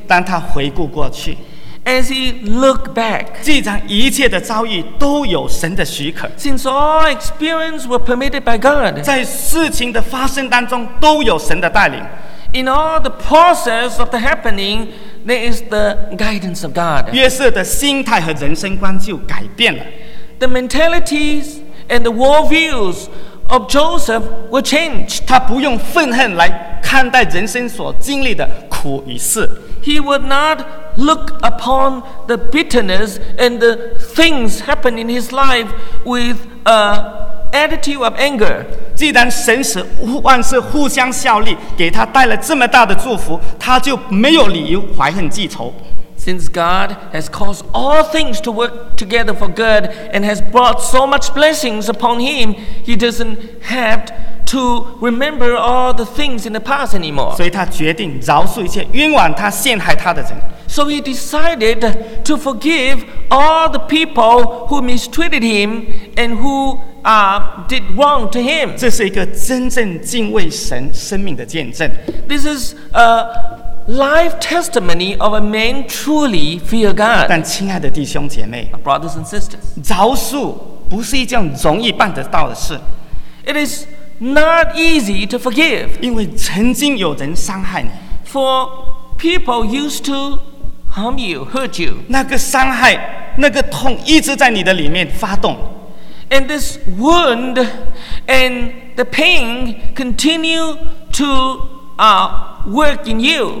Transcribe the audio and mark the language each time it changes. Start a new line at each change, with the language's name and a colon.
Chinese: 当他回顾过去。
English: As he looked back,
Chinese: 既然一切的遭遇都有神的许可
English: ，since all experience were permitted by God,
Chinese: 在事情的发生当中都有神的带领
English: ，in all the process of the happening, there is the guidance of God.
Chinese: 约瑟的心态和人生观就改变了
English: ，the mentalities and the world views of Joseph were changed.
Chinese: 他不用愤恨来看待人生所经历的苦与事。
English: He would not look upon the bitterness and the things happened in his life with an attitude of anger.
Chinese: 既然神使万事互相效力，给他带了这么大的祝福，他就没有理由怀恨记仇。
English: Since God has caused all things to work together for good and has brought so much blessings upon him, he doesn't have to remember all the things in the past anymore.
Chinese: 所以他决定饶恕一切冤枉他陷害他的人。
English: So he decided to forgive all the people who mistreated him and who did wrong to him.
Chinese: 这是一个真正敬畏神生命的见证。
English: This is a life testimony of a man truly fear God.
Chinese: 但亲爱的弟兄姐妹
English: ，brothers and sisters，
Chinese: 饶恕不是一件容易办得到的事。
English: It is not easy to forgive.
Chinese: 因为曾经有人伤害你。
English: For people used to harm you, hurt you.
Chinese: 那个伤害，那个痛一直在你的里面发动。
English: And this wound and the pain continue to work in you.